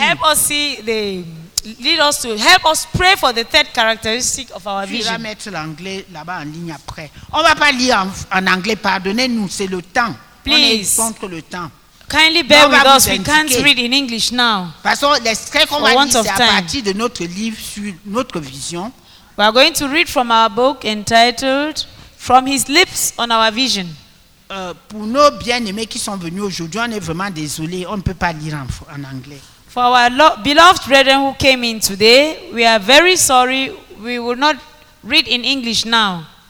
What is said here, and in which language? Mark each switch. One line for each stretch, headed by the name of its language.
English: Help us see the lead us to help us pray for the third characteristic of our vision.
French: Tu vas mettre l'anglais là-bas en ligne après. On va pas lire en anglais. Pardonnez-nous, c'est le temps.
English: Please.
French: On est contre le temps.
English: Kindly bear with us. We can't read in English now.
French: Parce que l'extrait qu'on va lire c'est à partir de notre livre sur notre vision.
English: We are going to read from our book entitled "From His Lips on Our Vision."
French: Pour nos bien-aimés qui sont venus aujourd'hui, on est vraiment désolé, on ne peut pas lire en anglais.
English: For our beloved brethren who came in today, we are very sorry, we will not read in English now.